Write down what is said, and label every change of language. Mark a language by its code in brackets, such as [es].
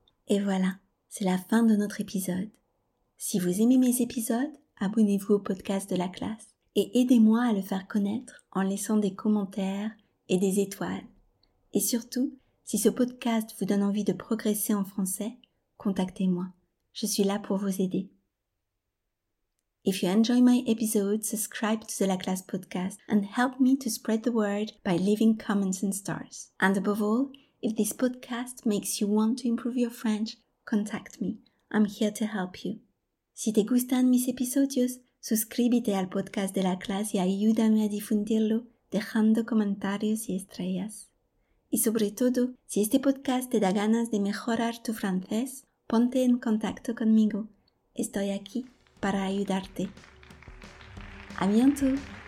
[fr] Et voilà, c'est la fin de notre épisode. Si vous aimez mes épisodes, abonnez-vous au podcast de la classe et aidez-moi à le faire connaître en laissant des commentaires et des étoiles. Et surtout, si ce podcast vous donne envie de progresser en français, contactez-moi. Je suis là pour vous aider. [en] If you enjoy my episode, subscribe to the La Classe podcast and help me to spread the word by leaving comments and stars. And above all, if this podcast makes you want to improve your French, contact me. I'm here to help you. [es] Si te gustan mis episodios, suscríbete al podcast de La Classe y ayúdame a difundirlo dejando comentarios y estrellas. Y sobre todo, si este podcast te da ganas de mejorar tu francés, ponte en contacto conmigo. Estoy aquí para ayudarte. [fr] ¡A bientôt!